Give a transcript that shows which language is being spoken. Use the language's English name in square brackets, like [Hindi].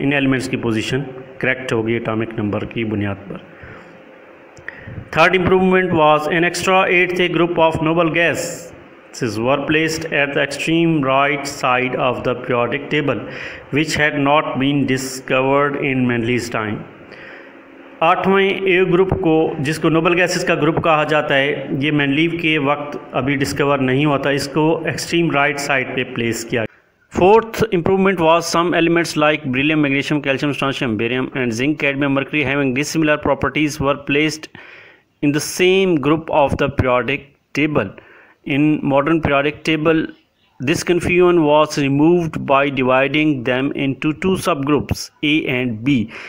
[Hindi] इन elements की position correct हो गई atomic number की बुनियाद पर। [English] Third improvement was an extra 8th group of noble gases were placed at the extreme right side of the periodic table, which had not been discovered in Mendeleev's time. [Hindi] आठवें ए group को, जिसको noble gases का group कहा जाता है, ये Mendeleev के वक्त अभी डिस्कवर नहीं हुआ था, इसको एक्सट्रीम राइट साइड पे प्लेस किया। [English] Fourth improvement was some elements like beryllium, magnesium, calcium, strontium, barium and zinc, cadmium, mercury having dissimilar properties were placed in the same group of the periodic table. In modern periodic table, this confusion was removed by dividing them into two subgroups, A and B.